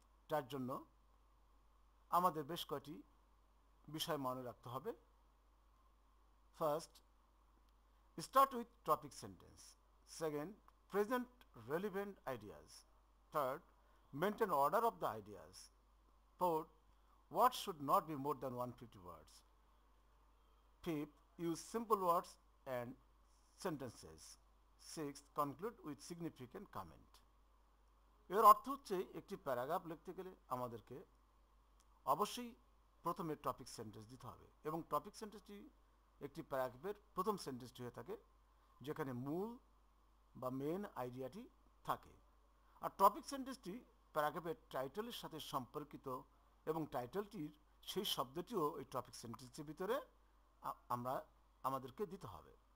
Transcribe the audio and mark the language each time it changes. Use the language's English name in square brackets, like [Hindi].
[Bangla] তার জন্য আমাদের বেশ কয়েকটি বিষয় মনে রাখতে হবে [English] First start with topic sentence second present relevant ideas third maintain order of the ideas fourth words should not be more than 150 words fifth Use simple words and sentences. Sixth, conclude with significant comment. [Bangla] এর অর্থ হচ্ছে একটি paragraph লিখতে গেলে আমাদেরকে অবশ্যই প্রথমে topic sentence দিতে হবে এবং টপিক সেন্টেন্সটি একটি প্যারাগ্রাফের প্রথম সেন্টেন্সটি হয়ে থাকে যেখানে মূল বা মেন আইডিয়াটি থাকে আর টপিক সেন্টেন্সটি প্যারাগ্রাফের টাইটেলের সাথে সম্পর্কিত এবং টাইটেলটির সেই শব্দটিও এই টপিক সেন্টেন্সের ভিতরে আমরা আমাদেরকে দিতে হবে